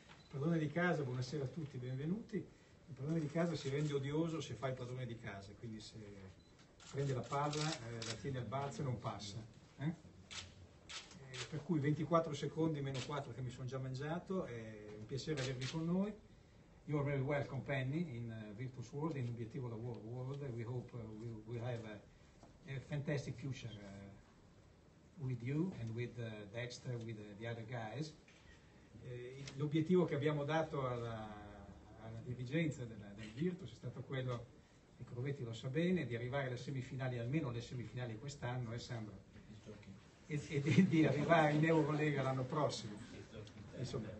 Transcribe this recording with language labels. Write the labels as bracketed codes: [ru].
[it] Padrone di casa, buonasera a tutti, benvenuti. Il padrone di casa si rende odioso se fa il padrone di casa, quindi se prende la palla, la tiene al balzo e non passa. Per cui 24 secondi meno 4 che mi sono già mangiato, è un piacere avervi con noi. [en] You're very welcome, Penny, in Virtus World, in Obiettivo Lavoro World. We hope we have a fantastic future with you and with Dexter, with the other guys. [it] L'obiettivo che abbiamo dato alla dirigenza del Virtus è stato quello, e Crovetti lo sa bene, di arrivare alle semifinali, almeno alle semifinali quest'anno, Sandro, e di arrivare in Eurolega l'anno prossimo. Insomma,